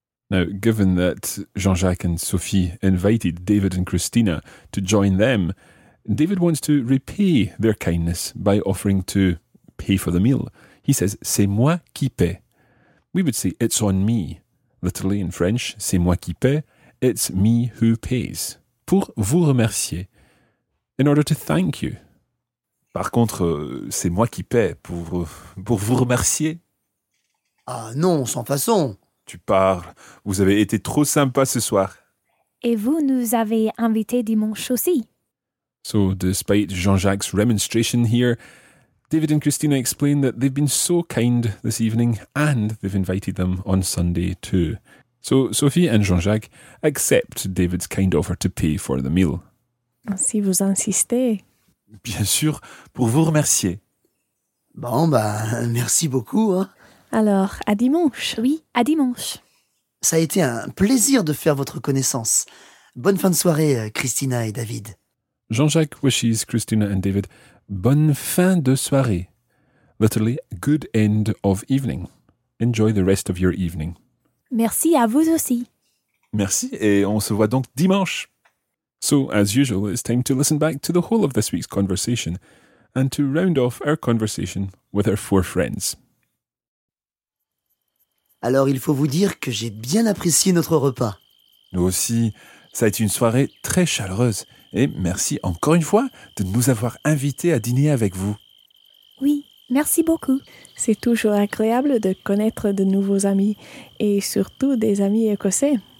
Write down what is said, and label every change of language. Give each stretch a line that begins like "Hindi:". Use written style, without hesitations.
English: Now, given that Jean-Jacques and Sophie invited David and Christina to join them, David wants to repay their kindness by offering to pay for the meal. He says,
French: c'est moi qui paie.
English: We would say, it's on me. Literally, in French,
French: c'est moi qui paie.
English: It's me who pays.
French: Pour vous remercier.
English: In order to thank you.
French: Par contre, c'est moi qui paie pour vous remercier. Ah non, sans façon. Tu parles. Vous avez été trop sympa ce soir. Et vous nous avez invités dimanche aussi.
English: So, despite Jean-Jacques' remonstration here, David and Christina explain that they've been so kind this evening and they've invited them on Sunday too. So, Sophie and Jean-Jacques accept David's kind offer to pay for the meal.
French: Si vous insistez. Bien sûr, pour vous remercier. Bon, ben, merci beaucoup. Hein. Alors, à dimanche. Oui, à dimanche. Ça a été un plaisir de faire votre connaissance. Bonne fin de soirée, Christina et David.
English: Jean-Jacques wishes Christina and David
French: bonne fin de soirée.
English: Literally, good end of evening. Enjoy the rest of your evening.
French: Merci à vous aussi. Merci et on se voit donc dimanche.
English: So, as usual, it's time to listen back to the whole of this week's conversation and to round off our conversation with our four friends.
French: Alors, il faut vous dire que j'ai bien apprécié notre repas. Nous aussi, ça a été une soirée très chaleureuse. Et merci encore une fois de nous avoir invités à dîner avec vous. Oui, merci beaucoup. C'est toujours agréable de connaître de nouveaux amis et surtout des amis écossais.